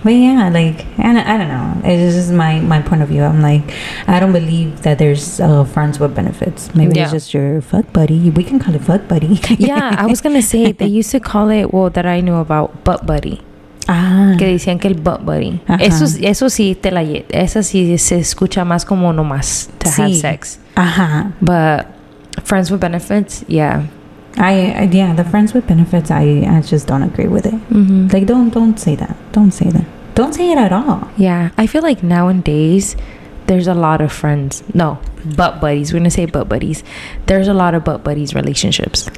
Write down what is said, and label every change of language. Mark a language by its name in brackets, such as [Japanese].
[English] But yeah, like, and I don't know. It's just my point of view. I'm like, I don't believe that there's friends with benefits. Maybe it's just your fuck buddy. We can call it fuck buddy. Yeah, I was going to say, they used to call it, well, that I knew about, butt buddy. Ah. [Spanish] Que decían que el butt buddy. Uh-huh. Eso sí, te la llevo. Eso sí se escucha más como nomás to have sex. Ajá. Uh-huh. [English] But friends with benefits, yeah. I the friends with benefits, I just don't agree with it. Mm-hmm. Like, don't say that. Don't say that. Don't say it at all. Yeah. I feel like nowadays, there's a lot of friends. No, butt buddies. We're going to say butt buddies. There's a lot of butt buddies relationships.